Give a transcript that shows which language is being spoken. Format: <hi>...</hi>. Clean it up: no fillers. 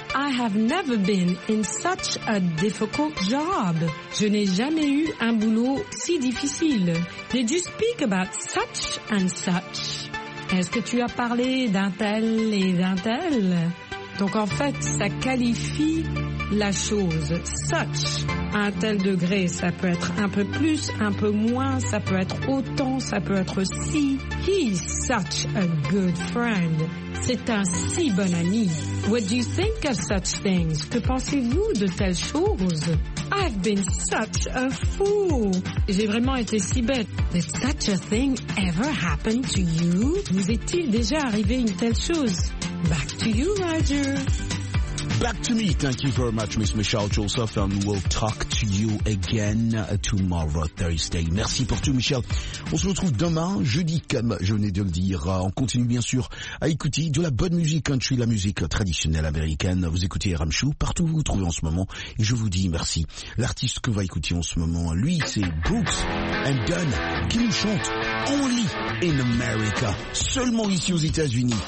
<en>I have never been in such a difficult job.</en> <fr>Je n'ai jamais eu un boulot si difficile.</fr> <en>Did you speak about such and such?</en> <fr>Est-ce que tu as parlé d'un tel et d'un tel? Donc en fait, ça qualifie la chose. Such, un tel degré, ça peut être un peu plus, un peu moins, ça peut être autant, ça peut être si.</fr> <en>He's such a good friend.</en> <fr>C'est un si bon ami.</fr> <en>What do you think of such things?</en> <fr>Que pensez-vous de telles choses?</fr> <en>I've been such a fool.</en> <fr>J'ai vraiment été si bête.</fr> <en>Did such a thing ever happen to you?</en> <fr>Vous est-il déjà arrivé une telle chose?</fr> <en>Back to you, Roger. Back to me. Thank you very much, Miss Michelle Joseph, and we'll talk to you again tomorrow, Thursday.</en> <fr>Merci pour tout, Michelle. On se retrouve demain, jeudi, comme je venais de le dire. On continue, bien sûr, à écouter de la bonne musique country, la musique traditionnelle américaine. Vous écoutez RM Show partout où vous trouvez en ce moment, et je vous dis merci. L'artiste que va écouter en ce moment, lui, c'est Brooks and Dunn, qui nous chante Only in America, seulement ici aux États-Unis.</fr>